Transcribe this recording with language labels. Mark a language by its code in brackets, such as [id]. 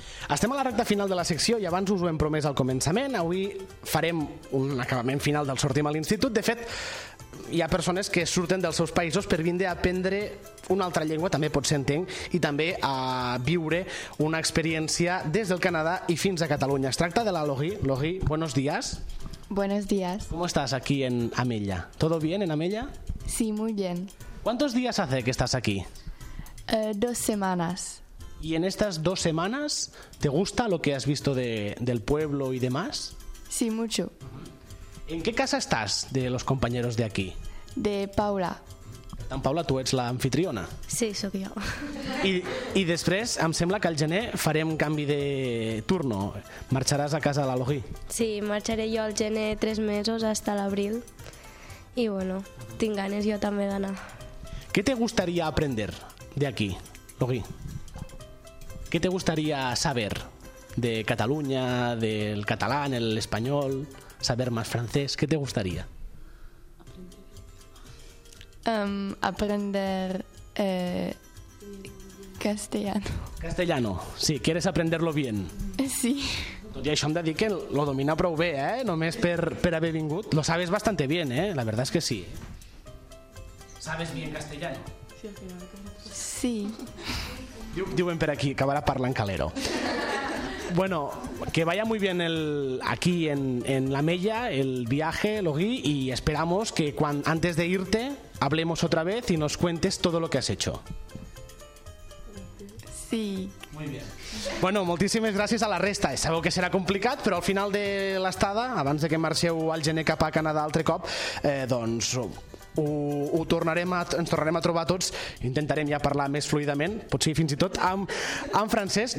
[ca] Estem a la recta final de la secció i abans us ho hem promès al començament. Avui farem un acabament final del Sortim a l'Institut. De fet, hi ha persones que surten dels seus països per vindre a aprendre una altra llengua, també potser entenc, i també a viure una experiència des del Canadà i fins a Catalunya. Es tracta de la Logi. Logi, [es] buenos días. Buenos días. ¿Cómo estás aquí en Amella? ¿Todo bien en Amella? Sí, muy bien. ¿Cuántos días hace que estás aquí? Dos semanas. ¿Y en estas dos semanas te gusta lo que has visto del pueblo y demás? Sí, mucho. ¿En qué casa estás de los compañeros de aquí? De Paula. En Paula, tú eres la anfitriona. Sí, soy yo. Y después, [ca] em sembla que al gener farem canvi de turno. [es] ¿Marcharás a casa de la Logi? Sí, marcharé yo [ca] al gener [es] 3 meses hasta el abril. [ca] Y bueno, tinc ganes jo també d'anar. [es] ¿Qué te gustaría aprender de aquí, Logi? ¿Qué te gustaría saber de Cataluña, del catalán, el español, saber más francés? ¿Qué te gustaría? Aprender castellano. Castellano, sí, ¿quieres aprenderlo bien? Sí. [ca] Tot i això hem de dir que lo domina prou bé, eh? Només per haver vingut. [es] Lo sabes bastante bien, eh? La verdad es que sí. ¿Sabes bien castellano? Sí. [ca] Diuen per aquí, acabarà parlant Calero. [es] Bueno, que vaya muy bien el aquí en la mella, el viaje, Logui, y esperamos que antes de irte hablemos otra vez y nos cuentes todo lo que has hecho. Sí. Muy bien. [ca] Bueno, moltíssimes gràcies a la resta. Sabeu que serà complicat, però al final de l'estada, abans de que marxeu al gener cap a Canadà altre cop, doncs ens tornarem a trobar tots, intentarem ja parlar més fluidament, potser fins i tot amb francès.